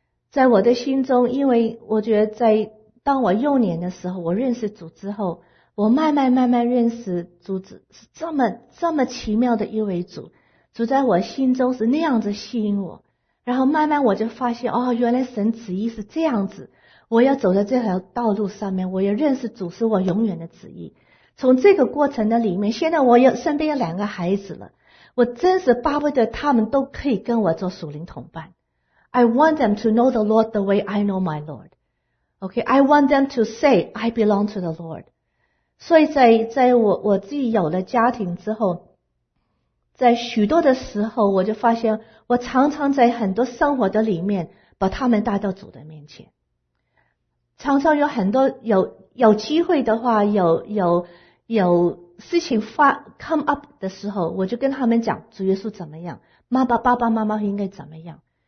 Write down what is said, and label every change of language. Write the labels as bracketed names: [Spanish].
[Chinese] 在我的心中，因为我觉得在当我幼年的时候，我认识主之后，我慢慢认识主，是这么奇妙的一位主，主在我心中是那样子吸引我，然后慢慢我就发现，哦，原来神旨意是这样子，我要走在这条道路上面，我要认识主是我永远的旨意。从这个过程的里面，现在我有身边有两个孩子了，我真是巴不得他们都可以跟我做属灵同伴。 [English] I want them to know the Lord the way I know my Lord. OK, I want them to say I belong to the Lord. [Chinese] 所以在我自己有了家庭之后，在许多的时候，我就发现我常常在很多生活的里面把他们带到主的面前，常常有很多有机会的话，有事情 come up 的时候，我就跟他们讲主耶稣怎么样，爸爸妈妈应该怎么样。